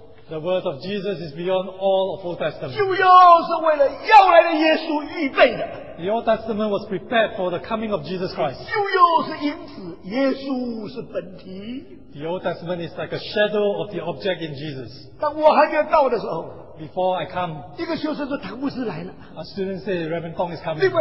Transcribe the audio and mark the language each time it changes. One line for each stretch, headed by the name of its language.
English: The word of Jesus is beyond all of Old Testament.
Chinese: 旧约是为了要来的耶稣预备的。
English: The Old Testament was prepared for the coming of Jesus Christ. The Old Testament is like a shadow of the object in Jesus. Before I come, a student said, Reverend Tong is coming.